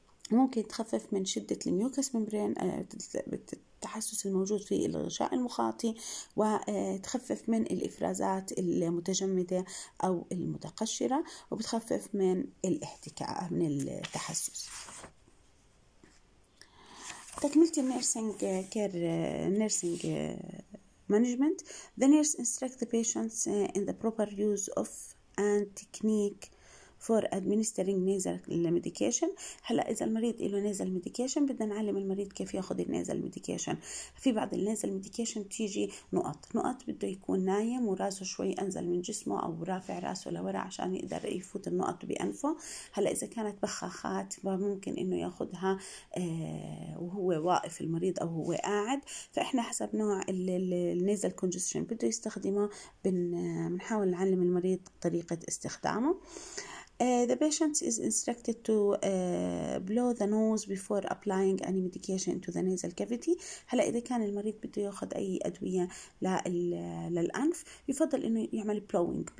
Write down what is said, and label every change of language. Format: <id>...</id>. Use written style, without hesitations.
<ar>ممكن تخفف من شدة الميوكس ممبرين، التحسس الموجود في الغشاء المخاطي، وتخفف من الإفرازات المتجمدة أو المتقشرة، وبتخفف من الاحتكاك من التحسس. تكملة النيرسينج كير نيرسينج مانجمنت.</ar> <en>The nurse instructs the patients in the proper use of and technique for administering nasal medication.</en> <ar>هلا اذا المريض له nasal medication بدنا نعلم المريض كيف ياخذ النازل medication. في بعض النازل medication تيجي نقط بده يكون نايم وراسه شوي انزل من جسمه او رافع راسه لورا عشان يقدر يفوت النقط بانفه. هلا اذا كانت بخاخات ممكن انه ياخذها وهو واقف المريض او هو قاعد، فاحنا حسب نوع النازل congestion بده يستخدمه بنحاول نعلم المريض طريقه استخدامه.</ar> <en>The patient is instructed to blow the nose before applying any medication to the nasal cavity.</en> <ar>هلا إذا كان المريض بده ياخد أي أدوية للأنف يفضل إنه يعمل blowing.</ar>